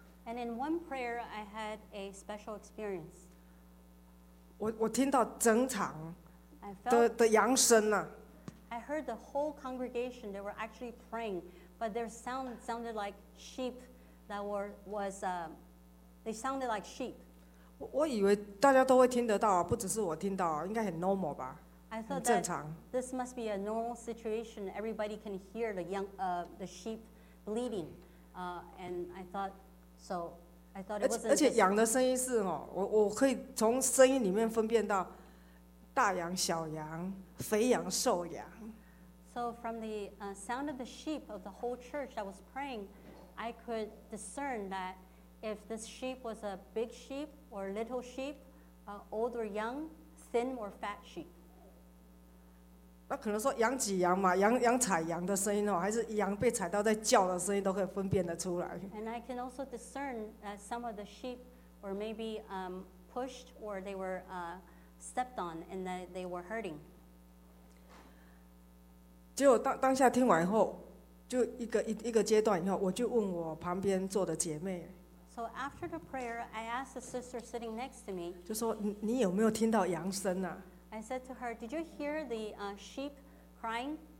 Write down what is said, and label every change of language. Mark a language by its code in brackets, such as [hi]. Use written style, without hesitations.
[en] And in one prayer, I had a special experience. [zh] 我听到整场的扬声呐。 [en] I heard the whole congregation, they were actually praying, but their sound sounded like sheep that were, was, they sounded like sheep. [zh] 我以为大家都会听得到，不只是我听到，应该很 normal 吧，很正常。 [en] This must be a normal situation. Everybody can hear the young, the sheep bleeding. And I thought, so, I thought it wasn't. [zh] 而且羊的声音是，我可以从声音里面分辨到大羊、小羊、肥羊、瘦羊。 [en] So from the sound of the sheep of the whole church that was praying, I could discern that if this sheep was a big sheep or a little sheep, old or young, thin or fat sheep. [zh] 那可能说羊挤羊嘛，羊踩羊的声音哦，还是羊被踩到在叫的声音都可以分辨得出来。 [en] And I can also discern that some of the sheep were maybe pushed or they were stepped on and that they were hurting. [zh] 结果当下听完以后，就一个阶段以后，我就问我旁边坐的姐妹。 [en] So after the prayer, I asked the sister sitting next to me. [zh] 就说你有没有听到羊声啊 [en] ？I said to her, "Did you hear the sheep crying?"